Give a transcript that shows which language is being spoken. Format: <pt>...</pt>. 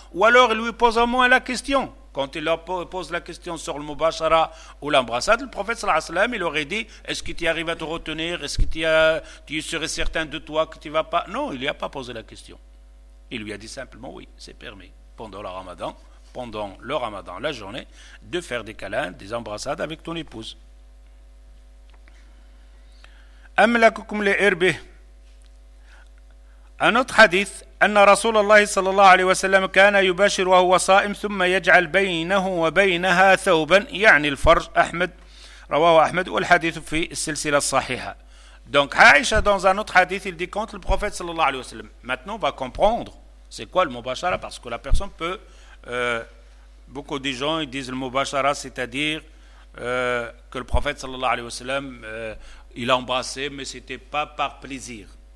<fr>Ou alors, il lui pose au moins la question. Quand il leur pose la question sur le Mubashara ou l'embrassade, le prophète sallallahu alayhi wa sallam, il aurait dit, est-ce que tu arrives à te retenir? Est-ce que tu serais certain de toi que tu ne vas pas? Non, il ne lui a pas posé la question. Il lui a dit simplement, oui, c'est permis, pendant le Ramadan, la journée, de faire des câlins, des embrassades avec ton épouse.</fr> <ar>أملككم لإربه أن حديث أن رسول الله صلى الله عليه وسلم كان يباشر وهو صائم ثم يجعل بينه وبينها ثوبا يعني الفرج أحمد رواه أحمد والحديث في السلسلة الصحيحة.</ar> <fr>Donc Aïcha dans un autre hadith il dit quand le prophète صلى الله عليه وسلم maintenant on va comprendre c'est quoi le mubashara parce que la personne peut beaucoup de gens ils disent le mubashara c'est-à-dire que le prophète صلى الله عليه وسلم il a embrassé, mais ce n'était pas par plaisir.</fr>